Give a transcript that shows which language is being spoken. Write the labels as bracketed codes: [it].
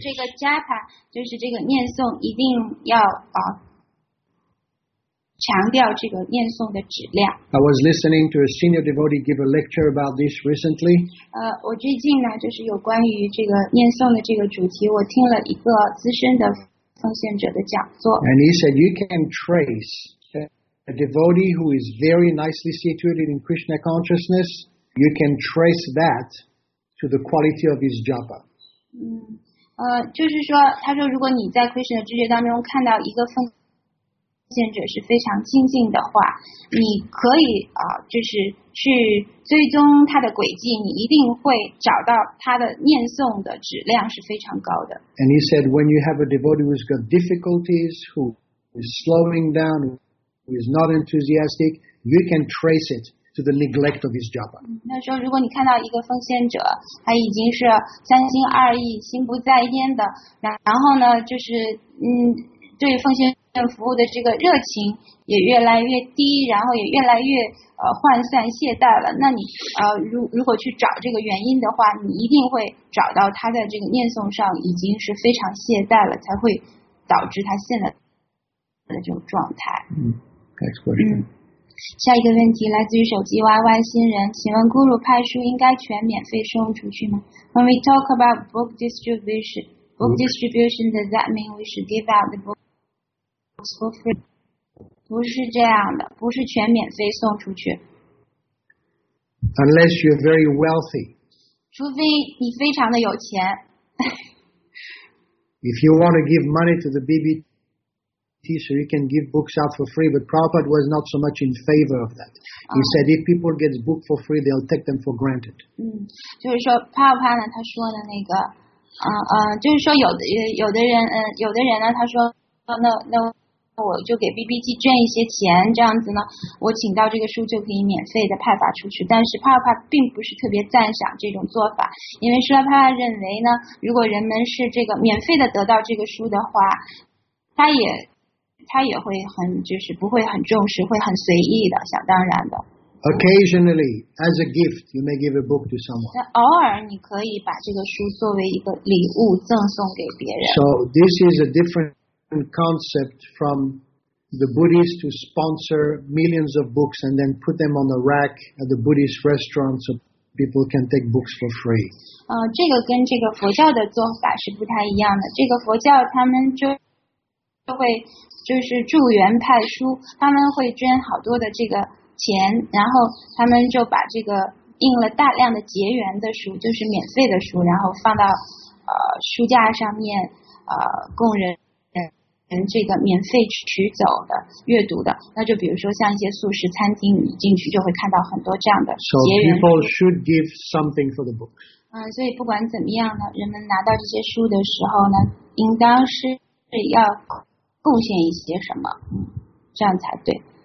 [zh] 就是这个 japa， 就是这个念诵，一定要啊强调这个念诵的质量。 [en] I was listening to a senior devotee give a lecture about this recently. [zh] 我最近呢，就是有关于这个念诵的这个主题，我听了一个资深的奉献者的讲座。 [en] And he said you can trace. A devotee who is very nicely situated in Krishna consciousness, you can trace that to the quality of his japa. [zh] 就是说，他说，如果你在 Krishna 知觉当中看到一个奉献者是非常精进的话，你可以就是去追踪他的轨迹，你一定会找到他的念诵的质量是非常高的。 [en] And he said, when you have a devotee who's got difficulties, who is slowing down. Who is not enthusiastic, you can trace it to the neglect of his japa. [zh] 那说如果你看到一个奉献者，他已经是三心二意、心不在焉的，然后呢，就是对奉献服务的这个热情也越来越低，然后也越来越涣散懈怠了。那你如果去找这个原因的话，你一定会找到他在这个念诵上已经是非常懈怠了，才会导致他现在。的这种状态。 [en] Next question. [zh] 下一个问题来自于手机 YY 新人，请问 Guru 派书应该全免费送出去吗？ [en] When we talk about book distribution, does that mean we should give out the books for free? [zh] 不是这样的，不是全免费送出去。 [en] Unless you're very wealthy. [zh] 除非你非常的有钱。 [en] If you want to give money to the BBSo you can give books out for free, but Prabhupada was not so much in favor of that. He said if people get book for free, they'll take them for granted. [zh] 就是说 Prabhupada 呢，他说的那个，就是说有的人呢，他说那我就给 BBG 捐一些钱，这样子呢，我请到这个书就可以免费的派发出去。但是 Prabhupada 并不是特别赞赏这种做法，因为 Prabhupada 认为呢，如果人们是这个免费的得到这个书的话，他也会很，就是不会很重视，会很随意的，想当然的。 [en] Occasionally, as a gift, you may give a book to someone. [zh] 偶尔你可以把这个书作为一个礼物赠送给别人。 [en] So this is a different concept from the Buddhists who sponsor millions of books and then put them on the rack at the Buddhist restaurants so people can take books for free. [zh] 这个跟这个佛教的做法是不太一样的。这个佛教他们就会就是助缘派书，他们会捐好多的这个钱，然后他们就把这个印了大量的结缘的书，就是免费的书，然后放到书架上面，供人这个免费取走的阅读的。那就比如说像一些素食餐厅，你进去就会看到很多这样的结缘。 [en] So people should give something for the book. [zh] 所以不管怎么样呢，人们拿到这些书的时候呢，应当是要。贡献一些什么，这样才对。